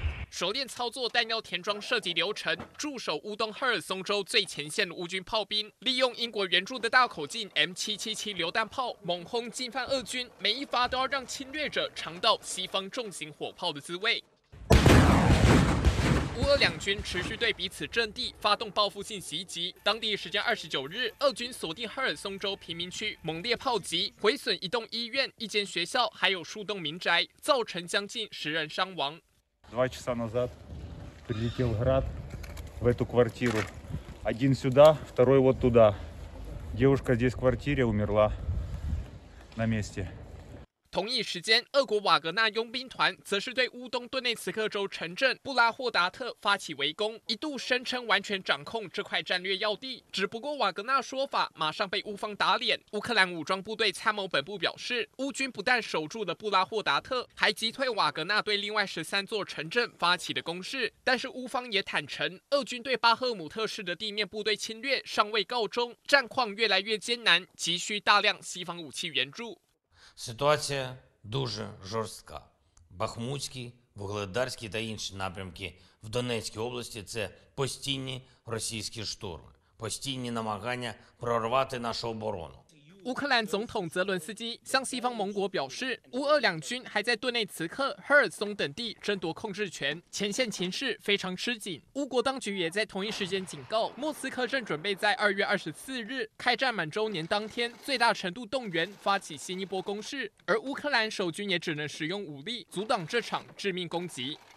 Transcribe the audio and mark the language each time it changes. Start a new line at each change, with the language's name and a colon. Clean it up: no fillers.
Chinese: 手电操作弹药填装射击流程，驻守乌东赫尔松州最前线的乌军炮兵利用英国援助的大口径 M777 榴弹炮猛轰进犯俄军，每一发都要让侵略者尝到西方重型火炮的滋味。乌俄两军持续对彼此阵地发动报复性袭击，当地时间29日，俄军锁定赫尔松州贫民区猛烈炮击，毁损一栋医院、一间学校还有数栋民宅，造成将近10人伤亡。
Russian: 2 часа назад прилетел град в эту квартиру. Один сюда, второй вот туда. Девушка здесь в квартире умерла на месте.
Chinese: 同一时间，俄国瓦格纳佣兵团则是对乌东顿内茨克州城镇布拉霍达特发起围攻，一度声称完全掌控这块战略要地。只不过瓦格纳说法马上被乌方打脸。乌克兰武装部队参谋本部表示，乌军不但守住了布拉霍达特，还击退瓦格纳对另外13座城镇发起的攻势。但是乌方也坦承，俄军对巴赫姆特市的地面部队侵略尚未告终，战况越来越艰难，急需大量西方武器援助。
Ukrainian: Ситуація дуже жорстка. Бахмутський, Вугледарський та інші напрямки в Донецькій області – це постійні російські штурми, постійні намагання прорвати нашу оборону.
Chinese: 乌克兰总统泽伦斯基向西方盟国表示，乌俄两军还在顿内茨克、赫尔松等地争夺控制权，前线情势非常吃紧。乌国当局也在同一时间警告，莫斯科正准备在2月24日开战满周年当天最大程度动员，发起新一波攻势，而乌克兰守军也只能使用武力阻挡这场致命攻击。